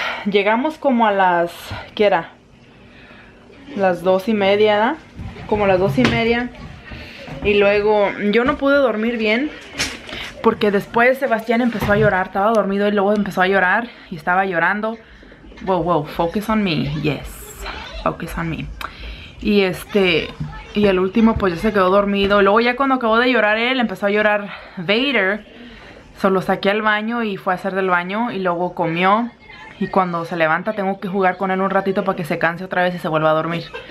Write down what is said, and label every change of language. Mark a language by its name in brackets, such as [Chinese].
[Spanish] Llegamos como a las, ¿qué era? Las 2:30, ¿verdad? Como las 2:30. Y luego yo no pude dormir bien porque después Sebastián empezó a llorar. Estaba dormido y luego empezó a llorar y estaba llorando. [English] Wow, wow, focus on me, yes, focus on me. [Spanish] Y y el último pues ya se quedó dormido. Luego ya cuando acabó de llorar él, empezó a llorar Vader. Solo saqué al baño y fue a hacer del baño y luego comió. Y cuando se levanta tengo que jugar con él un ratito para que se canse otra vez y se vuelva a dormir.